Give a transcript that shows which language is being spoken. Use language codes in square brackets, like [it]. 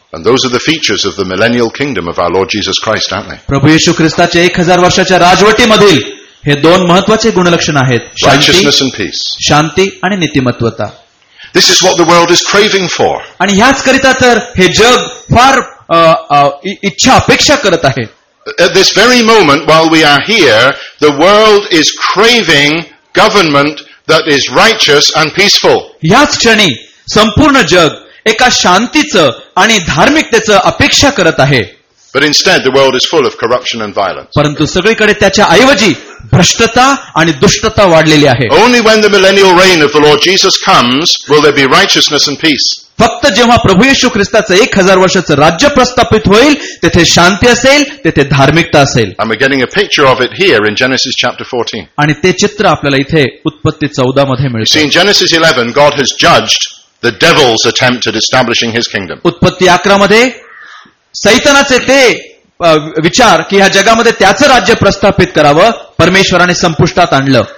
[en] And those are the features of the millennial kingdom of our Lord Jesus Christ, aren't they? [mr] प्रभू येशू ख्रिस्ताच्या 1000 वर्षाच्या राजवटीमधील हे दोन महत्वाचे गुणलक्षण आहेत. [en] righteousness and peace. [mr] शांती आणि नीतिमत्वता. [en] This is what the world is craving for. [mr] आणि याच करिता तर हे जग फार इच्छा अपेक्षा करत आहे. [en] At this very moment while we are here, the world is craving government that is righteous and peaceful. [mr] याच क्षणी संपूर्ण जग एका शांतीचं आणि धार्मिकतेचं अपेक्षा करत आहे. [en] But instead the world is full of corruption and violence. [mr] परंतु सगळीकडे त्याच्या ऐवजी भ्रष्टता आणि दुष्टता वाढलेली आहे. [en] Only when the millennial reign of the Lord Jesus comes will there be righteousness and peace. [mr] फक्त जेव्हा प्रभू येशू ख्रिस्ताचं 1000 वर्षाचं राज्य प्रस्थापित होईल तेथे शांती असेल, तेथे धार्मिकता असेल. [en] I'm getting a picture of it here in Genesis chapter 14. [mr] आणि ते चित्र आपल्याला इथे उत्पत्ती 14 मध्ये मिळते. [en] See, in Genesis 11 God has judged the devil's attempt at establishing his kingdom. [mr] उत्पत्ती 11 मध्ये सैतानाचे ते विचार की ह्या जगामध्ये त्याचं राज्य प्रस्थापित करावं परमेश्वराने संपुष्टात आणलं.